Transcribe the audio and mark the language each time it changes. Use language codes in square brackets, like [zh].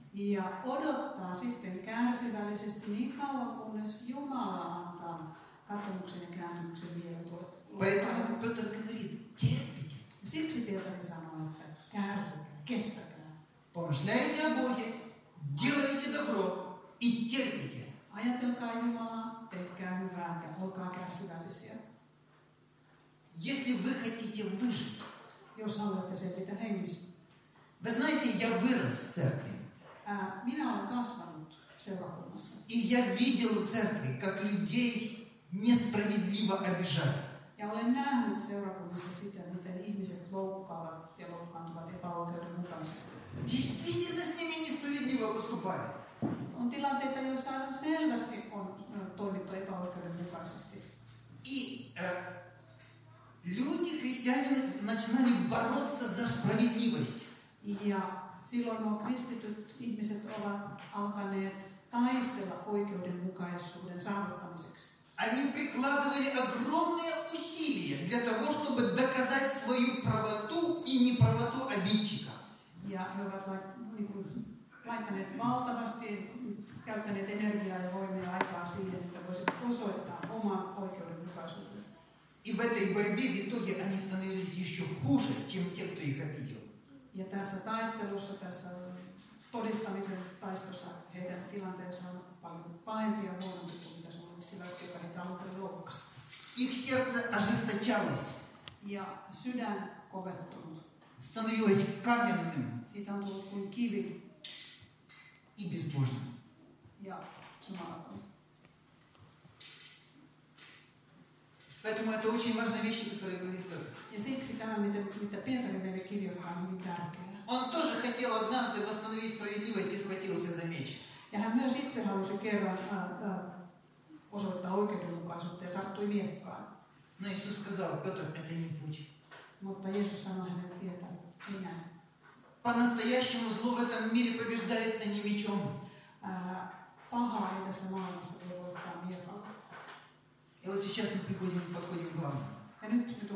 [fi] Ja odottaa sitten kärsivällisesti niin kauan, kunnes Jumala antaa katumuksen ja kääntymyksen vielä tuolle. [ru] Поэтому Петр говорит, терпите. [fi] Siksi Pietari sanoo, että kärsikää, kestäkää. [ru] Помышляйте о Боге, делайте добро и терпите. [fi] Ajatelkaa Jumalaa, tehkää hyvää ja olkaa kärsivällisiä. [ru] Если вы хотите выжить. [fi] Jos haluatte selvitä hengissä. [ru] Вы знаете, я вырос в церкви. [fi] Minä olen kasvanut seurakunnassa. [ru] И я видел в церкви, как людей несправедливо обижали. [fi] Ja olen nähnyt seurakunnassa sitä, miten ihmiset loukkaavat ja loukkaantuvat epäoikeudenmukaisesti. [ru] Действительно с ними несправедливо поступали. [fi] On tilanteita, joissa aivan selvästi on toimittu epäoikeudenmukaisesti. [ru] И люди, христиане, начинали бороться за справедливость. [fi] Ja silloin nuo kristityt ihmiset ovat alkaneet taistella oikeudenmukaisuuden saavuttamiseksi. [ru] Они прикладывали огромные усилия для того, чтобы доказать свою правоту и неправоту обидчика. [fi] Ja he ovat laittaneet valtavasti, käyttäneet energiaa ja voimia aikaa siihen, että voisivat osoittaa oman oikeudenmukaisuutensa. [ru] И в этой борьбе в итоге они становились еще хуже, чем те, кто их обидел. [fi] Ja tässä taistelussa, tässä todistamisen taistossa heidän tilanteensa on paljon pahempi ja huonompi kuin mitä se on sillä, joka heitä on ollut loukkaassa. [ru] Их сердце ожесточалось. [fi] Ja sydän kovettunut. [ru] Становилось каменным. [fi] Siitä on tullut kuin kivi. [ru] И безбожным. [fi] Ja jumalattom. [ru] Поэтому это очень важные вещи, которые говорит Петр. [fi] Ja siksi tämä, mitä Pietari meille kirjoittaa, on hyvin tärkeää. [ru] Он тоже хотел однажды восстановить справедливость и схватился за меч. [fi] Ja hän myös itse halusi kerran osoittaa oikeudenmukaisuutta ja tarttui miekkaan. [ru] Но Иисус сказал, Петр, это не путь. [fi] Mutta Jeesus sanoi hänelle, Pietari, ei näin. [ru] По-настоящему зло в этом мире побеждается не мечом. [fi] Paha ei tässä maailmassa voi voittaa miekalla. [ru] И вот сейчас мы приходим и подходим к главному.